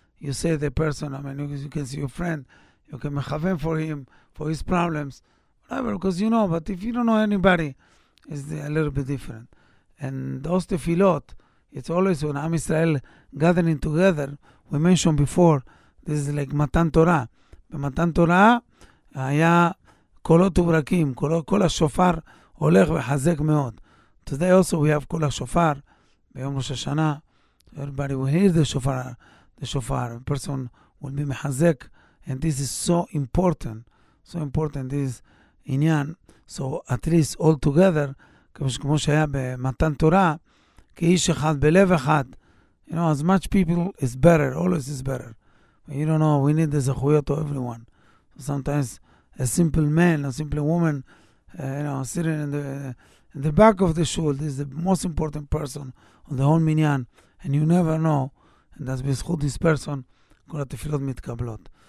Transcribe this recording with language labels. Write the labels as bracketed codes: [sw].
[en] You say the person, I mean, you can see your friend, you can mechaven for him, for his problems, whatever, because you know, but if you don't know anybody, it's a little bit different. And those tefillot, it's always when Am Israel gathering together, we mentioned before, this is like Matan Torah. [he] Matan Torah היה קולות וברקים, כל השופר הולך וחזק מאוד. [en] Today also we have [he] קול השופר ביום ראש השנה. [en] Everybody will hear the shofar. A person will be מחזק. And this is so important. So important this עניין. So at least all together, [he] כמו שהיה במתן תורה, כאיש אחד בלב אחד. [en] You know, as much people is better, always is better. You don't know, we need the zechuyot to everyone. Sometimes a simple man, a simple woman, sitting in the back of the shul, this is the most important person on the whole minyan, and you never know, and that's bezchut this person, [he] kol ha'tefilot mitkablot.